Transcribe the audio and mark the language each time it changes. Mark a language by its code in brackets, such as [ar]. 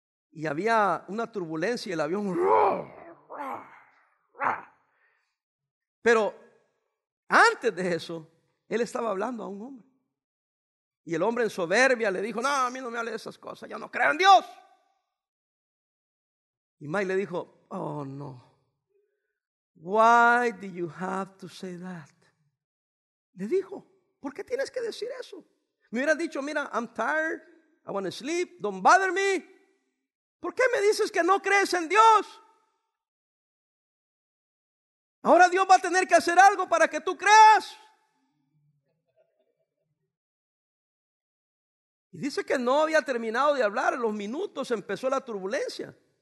[es] Y había una turbulencia y el avión. Pero antes de eso, él estaba hablando a un hombre. Y el hombre en soberbia le dijo: no, a mí no me hable de esas cosas, yo no creo en Dios. Y Mike le dijo: [en] oh no, why do you have to say that? [es] Le dijo: ¿por qué tienes que decir eso? Me hubieran dicho: mira, [en] I'm tired, I want to sleep, don't bother me. [es] ¿Por qué me dices que no crees en Dios? Ahora Dios va a tener que hacer algo para que tú creas. Y dice que no había terminado de hablar, en los minutos empezó la turbulencia.